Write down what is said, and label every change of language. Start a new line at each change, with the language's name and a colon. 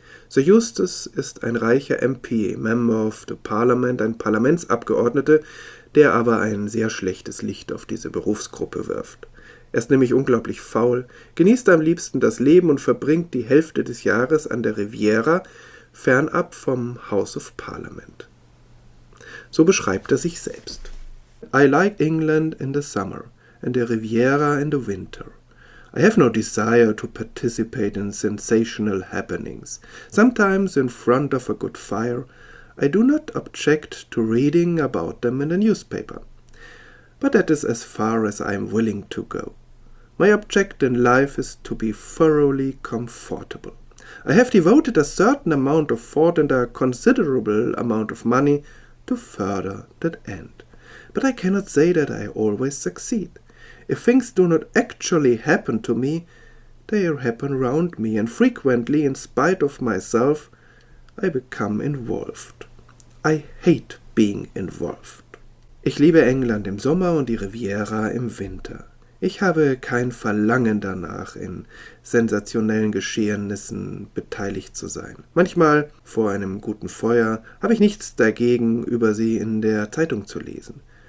German: Sir Eustace ist ein reicher MP,
English: Member of the Parliament,
German: ein Parlamentsabgeordneter, der aber ein sehr schlechtes Licht auf diese Berufsgruppe wirft. Er ist nämlich unglaublich faul, genießt am liebsten das Leben und verbringt die Hälfte des Jahres an der Riviera, fernab vom House of Parliament. So beschreibt er sich selbst.
English: I like England in the summer and the Riviera in the winter. I have no desire to participate in sensational happenings. Sometimes in front of a good fire, I do not object to reading about them in a newspaper. But that is as far as I am willing to go. My object in life is to be thoroughly comfortable. I have devoted a certain amount of thought and a considerable amount of money to further that end. But I cannot say that I always succeed. If things do not actually happen to me, they happen round me, and frequently, in spite of myself, I become involved. I hate being involved.
German: Ich liebe England im Sommer und die Riviera im Winter. Ich habe kein Verlangen danach, in sensationellen Geschehnissen beteiligt zu sein. Manchmal, vor einem guten Feuer, habe ich nichts dagegen, über sie in der Zeitung zu lesen.